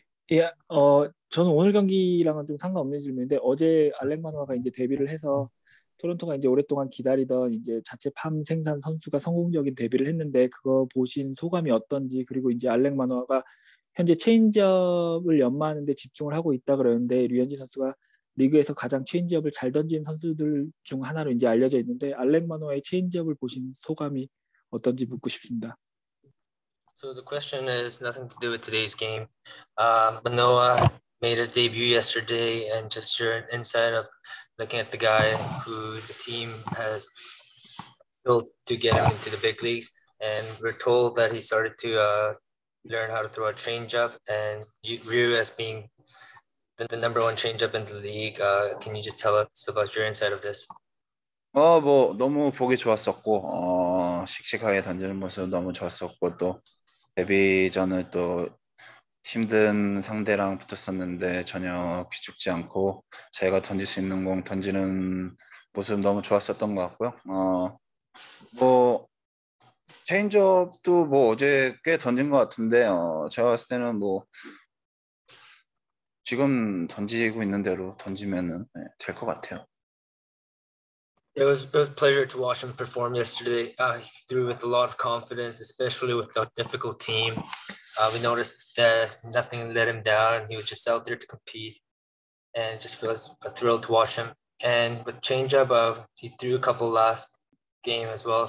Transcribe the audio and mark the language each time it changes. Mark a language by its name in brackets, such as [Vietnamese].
[Korean] Yeah, 저는 오늘 경기랑은 좀 상관없는 질문인데 어제 알렉 마누아가 이제 데뷔를 해서 토론토가 이제 오랫동안 기다리던 이제 자체 팜 생산 선수가 성공적인 데뷔를 했는데 그거 보신 소감이 어떤지 그리고 이제 알렉 마누아가 현재 체인지업을 연마하는 데 집중을 하고 있다 그러는데 류현진 선수가 리그에서 가장 체인지업을 잘 던진 선수들 중 하나로 이제 알려져 있는데 알렉 마누아의 체인지업을 보신 소감이 어떤지 묻고 싶습니다. [English] So the question is nothing to do with today's game. Manoa made his debut yesterday and just your insight of looking at the guy who the team has built to get him into the big leagues and we're told that he started to learn how to throw a changeup and Ryu as being the number one changeup in the league. Can you just tell us about your insight of this? [Korean] 뭐 너무 보기 좋았었고 씩씩하게 던지는 모습 너무 좋았었고 또 데뷔 전에 또 힘든 상대랑 붙었었는데 전혀 귀죽지 않고 자기가 던질 수 있는 공 던지는 모습 너무 좋았었던 것 같고요. 뭐 체인지업도 뭐 어제 꽤 던진 것 같은데 제가 봤을 때는 뭐 지금 던지고 있는 대로 던지면은 네, 될 것 같아요. [English] It was a pleasure to watch him perform yesterday. He threw with a lot of confidence, especially with a difficult team. We noticed that nothing let him down. He was just out there to compete. And it just was a thrill to watch him. And with changeup, he threw a couple last game as well.